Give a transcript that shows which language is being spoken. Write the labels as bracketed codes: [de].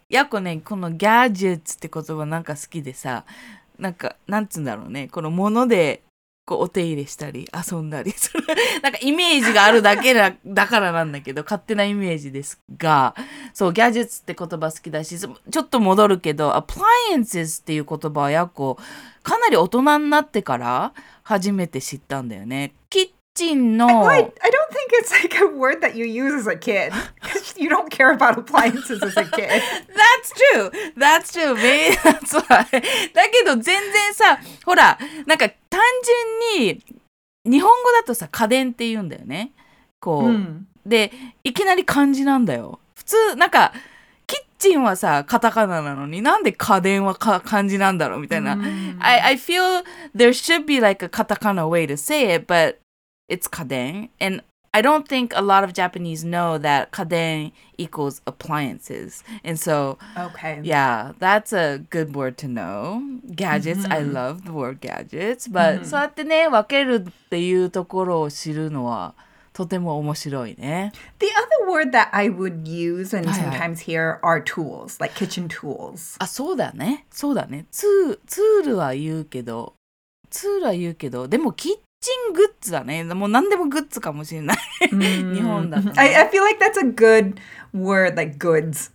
[ja] やこね、この gadgets って言葉なんか好きでさ、なんかなんつんだろうね、この物でこうお手入れしたり遊んだりするなんかイメージがあるだけだからなんだけど勝手なイメージですが、そうギャジェットって言葉好きだし、ちょっと戻るけど appliances っていう言葉はやっこかなり大人になってから初めて知ったんだよね。キッチンの [en] I don't think it's like a word that you use as a kid because you don't care about appliances as a kid. That's true. That's true. That's right. [ja] だけど全然さ、ほらなんか単純に日本語だとさ家電って言うんだよね、こう、うん、でいきなり漢字なんだよ。普通なんかキッチンはさカタカナなのに、なんで家電は漢字なんだろうみたいな、うん、 [en] I feel there should be like a katakana way to say it, but it's 家電 and I don't think a lot of Japanese know that 家電 equals appliances, and so okay, yeah, that's a good word to know. Gadgets,、mm-hmm. I love the word gadgets, but、mm-hmm. [ja] そうやってね分けるっていうところを知るのはとても面白いね。 [en] The other word that I would use and sometimes hear are tools, like kitchen tools. [ja] あ、そうだね、そうだね。ツールは言うけど、ツールは言うけど、でもキッチングッズだね。もう何でもグッズかもしれない。日本だと。 [en] I feel like that's a good word, like goods.